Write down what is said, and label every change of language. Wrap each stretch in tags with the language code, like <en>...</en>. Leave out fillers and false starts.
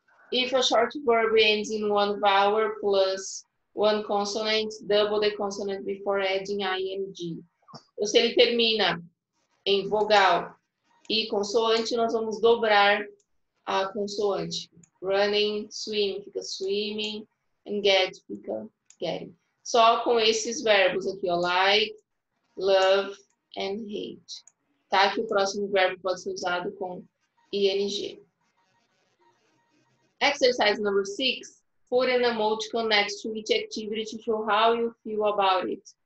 <en>If a short verb ends in one vowel plus one consonant, double the consonant before adding ing.</en> <pt>Então, se ele termina em vogal e consoante, nós vamos dobrar a consoante.</pt> <en>Running, swim,</en> <pt>fica</pt> <en>swimming, and get, fica getting.</en> <pt>Só com esses verbos aqui, ó, like, love, and hate. Tá? Que o próximo verbo pode ser usado com ing.</pt> <en>Exercise number 6, put an emoticon next to each activity to show how you feel about it.</en>